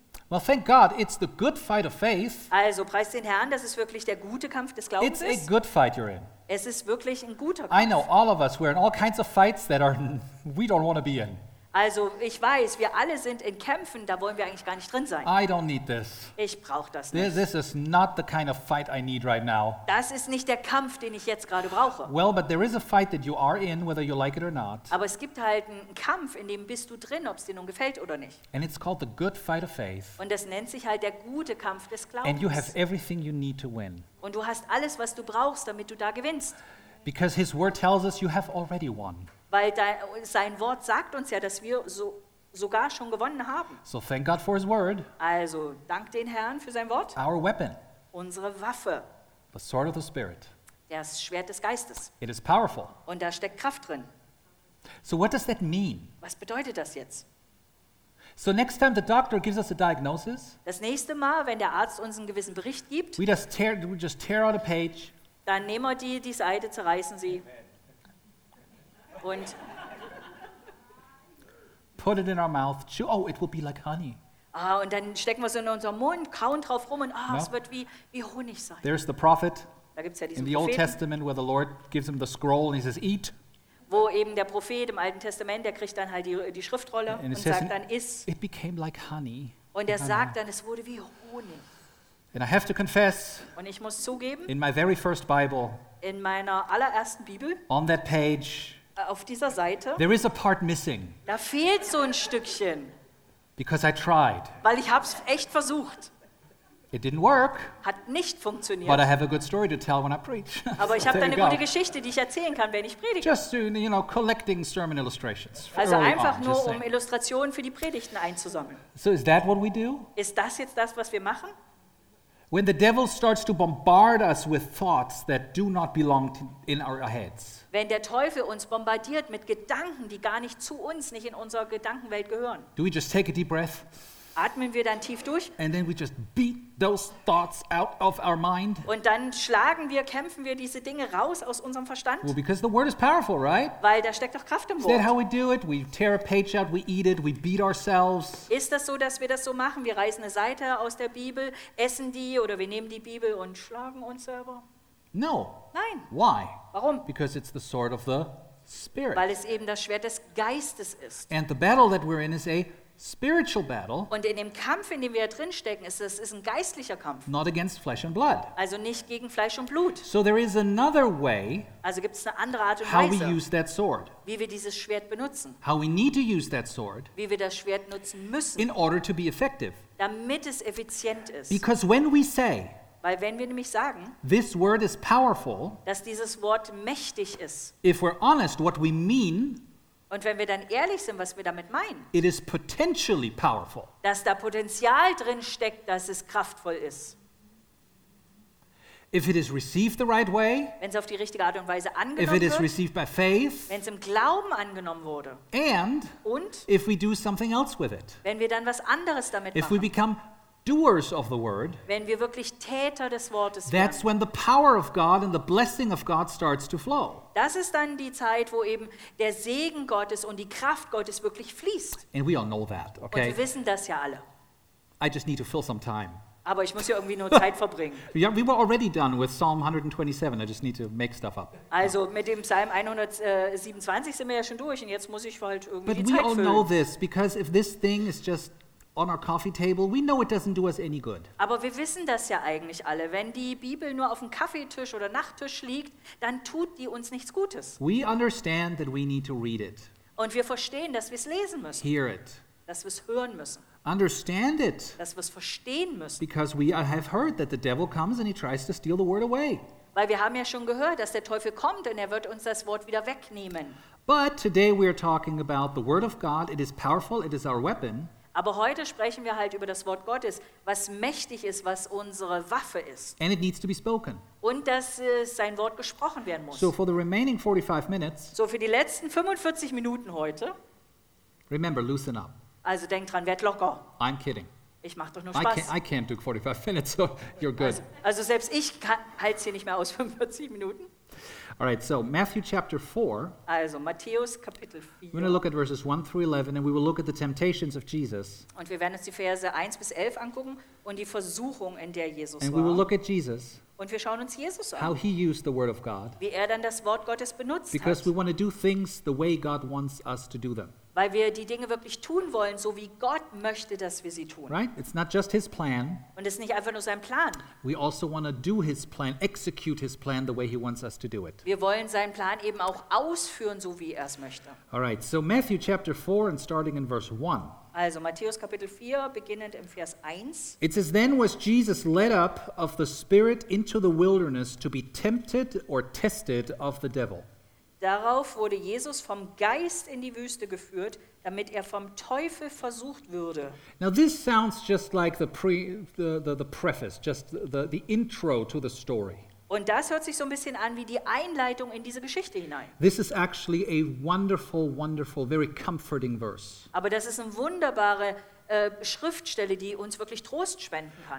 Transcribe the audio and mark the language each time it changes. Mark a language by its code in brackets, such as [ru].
[en] Well, thank God, it's the good fight of faith. [de] Also preist den Herrn, das ist wirklich der gute Kampf des Glaubens. [en] It's a good fight you're in. [de] Es ist wirklich ein guter Kampf. [en] I know all of us, we're in all kinds of fights that are we don't want to be in. [de] Also ich weiß, wir alle sind in Kämpfen, da wollen wir eigentlich gar nicht drin sein. [en] I don't need this. [de] Ich brauche das nicht. [en] This is not the kind of fight I need right now. [de] Das ist nicht der Kampf, den ich jetzt gerade brauche. [en] Well, but there is a fight that you are in, whether you like it or not. [de] Aber es gibt halt einen Kampf, in dem bist du drin, ob es dir nun gefällt oder nicht. [en] And it's called the good fight of faith. [de] Und das nennt sich halt der gute Kampf des Glaubens. [en] And you have everything you need to win. [de] Und du hast alles, was du brauchst, damit du da gewinnst. [en] Because his word tells us you have already won. [de] Weil sein Wort sagt uns ja, dass wir sogar schon gewonnen haben. [en] So thank God for his word. [de] Also dank den Herrn für sein Wort. [en] Our weapon. [de] Unsere Waffe. [en] The sword of the spirit. [de] Das Schwert des Geistes. [en] It is powerful. [de] Und da steckt Kraft drin. [en] So what does that mean? [de] Was bedeutet das jetzt? [en] So next time the doctor gives us a diagnosis. [de] Das nächste Mal, wenn der Arzt uns einen gewissen Bericht gibt. [en] We just tear out a page. [de] Dann nehmen wir die Seite, zerreißen sie. Amen. Und [en] put it in our mouth. Chew. Oh, it will be like honey. [de] Ah, und dann stecken wir es in unserem Mund, kauen drauf rum und ah, no. Es wird wie Honig sein. [en] There's the prophet. [de] Da gibt's ja diesen [en] in the Old Testament where the Lord gives him the scroll and he says eat. [de] Wo eben der Prophet im Alten Testament, der kriegt dann halt die Schriftrolle and und sagt dann iss. [en] It became like honey. [de] Und er sagt dann, es wurde wie Honig. [en] And I have to confess, [de] und ich muss zugeben, [en] in my very first Bible, [de] in meiner allerersten Bibel, [en] on that page, [de] auf dieser Seite, [en] there is a part missing. [de] Da fehlt so ein Stückchen. [en] Because I tried. [de] Weil ich hab's echt versucht. [en] It didn't work. [de] Hat nicht funktioniert. [en] But I have a good story to tell when I preach. [de] Aber ich habe da eine gute Geschichte, die ich erzählen kann, wenn ich predige. [en] Just to, you know, collecting sermon illustrations. [de] Also einfach nur, um Illustrationen für die Predigten einzusammeln. [en] So is that what we do? [de] Ist das jetzt das, was wir machen? [en] When the devil starts to bombard us with thoughts that do not belong in our heads. [de] Wenn der Teufel uns bombardiert mit Gedanken, die gar nicht zu uns, nicht in unserer Gedankenwelt gehören. [en] Do we just take a deep breath? [de] Atmen wir dann tief durch? [en] And then we just beat those thoughts out of our mind. [de] Und dann kämpfen wir diese Dinge raus aus unserem Verstand. [en] Well, because the word is powerful, right? [de] Weil da steckt doch Kraft im Wort. [en] Is that how we do it? We tear a page out, we eat it, we beat ourselves. [de] Ist das so, dass wir das so machen? Wir reißen eine Seite aus der Bibel, essen die oder wir nehmen die Bibel und schlagen uns selber? [en] No. [de] Nein. [en] Why? [de] Warum? [en] Because it's the sword of the Spirit. [de] Weil es eben das Schwert des Geistes ist. [en] And the battle that we're in is a spiritual battle. [de] Und in dem Kampf, in dem wir drin stecken, ist es ein geistlicher Kampf. [en] Not against flesh and blood. [de] Also nicht gegen Fleisch und Blut. [en] So there is another way. [de] Also gibt's eine andere Art und Weise. [en] How we use that sword. [de] Wie wir dieses Schwert benutzen. [en] How we need to use that sword. [de] Wie wir das Schwert nutzen müssen. [en] In order to be effective. [de] Damit es effizient ist. [en] Because when we say, [de] weil wenn wir nämlich sagen, [en] this word is powerful, [de] dass dieses Wort mächtig ist, [en] if we're honest, what we mean, [de] und wenn wir dann ehrlich sind, was wir damit meinen, [en] it is potentially powerful, [de] dass da Potenzial drin steckt, dass es kraftvoll ist. [en] If it is received the right way, [de] wenn es auf die richtige Art und Weise angenommen wird, [en] if it is received by faith, [de] wenn es im Glauben angenommen wurde, [en] and [de] und [en] if we do something else with it, [de] wenn wir dann was anderes damit [en] if [de] machen, [en] we become doers of the word, [de] wenn wir wirklich Täter des Wortes werden, [en] that's when the power of God and the blessing of God starts to flow. [de] Das ist dann die Zeit, wo eben der Segen Gottes und die Kraft Gottes wirklich fließt. [en] And we all know that, okay? [de] Und wir wissen das ja alle. [en] I just need to fill some time. [de] Aber ich muss ja irgendwie nur Zeit verbringen. [en] We were already done with Psalm 127. I just need to make stuff up. [de] Also mit dem Psalm 127 sind wir ja schon durch und jetzt muss ich halt irgendwie die Zeit füllen. [en] But we all know this, because if this thing is just on our coffee table, we know it doesn't do us any good. [de] Aber wir wissen das ja eigentlich alle. Wenn die Bibel nur auf dem Kaffeetisch oder Nachttisch liegt, dann tut die uns nichts Gutes. [en] We understand that we need to read it. [de] Und wir verstehen, dass wir es lesen müssen. [en] Hear it. [de] Dass wir es hören müssen. [en] Understand it. [de] Dass wir es verstehen müssen. [en] Because we have heard that the devil comes and he tries to steal the word away. [de] Weil wir haben ja schon gehört, dass der Teufel kommt und er wird uns das Wort wieder wegnehmen. [en] But today we are talking about the word of God. It is powerful. It is our weapon. [de] Aber heute sprechen wir halt über das Wort Gottes, was mächtig ist, was unsere Waffe ist. [en] And it needs to be spoken. [de] Und dass sein Wort gesprochen werden muss. [en] So for the remaining 45 minutes. [de] So für die letzten 45 Minuten heute. [en] Remember, loosen up. [de] Also denk dran, werd locker. [en] I'm kidding. [de] Ich mach doch nur Spaß. [en] I can't do 45 minutes, so you're good. [de] Also selbst ich halte es hier nicht mehr aus 45 Minuten. [en] All right, so Matthew chapter 4. [de] Also Matthäus Kapitel 4. [en] We're going to look at verses 1 through 11 and we will look at the temptations of Jesus. [de] Und wir werden uns die Verse 1 bis 11 angucken und die Versuchung, in der Jesus [en] and We will look at Jesus. [de] Und wir schauen uns Jesus an. [en] How he used the word of God. [de] Wie er dann das Wort Gottes benutzt hat. [en] Because we want to do things the way God wants us to do them. [de] Weil wir die Dinge wirklich tun wollen, so wie Gott möchte, dass wir sie tun. [en] Right? It's not just his plan. [de] Und es ist nicht einfach nur sein Plan. [en] We also want to do his plan, execute his plan the way he wants us to do it. [de] Wir wollen seinen Plan eben auch ausführen, so wie er es möchte. [en] All right. So Matthew chapter 4 and starting in verse 1. [de] Also Matthäus Kapitel 4 beginnend im Vers 1. [en] It says, then was Jesus led up of the Spirit into the wilderness to be tempted or tested of the devil. [de] Darauf wurde Jesus vom Geist in die Wüste geführt, damit er vom Teufel versucht würde. [en] Now this sounds just like the preface, just the intro to the story. [de] Und das hört sich so ein bisschen an wie die Einleitung in diese Geschichte hinein. [en] This is actually a wonderful, wonderful, very comforting verse. [de] Aber das ist eine wunderbare Schriftstelle, die uns wirklich Trost spenden kann.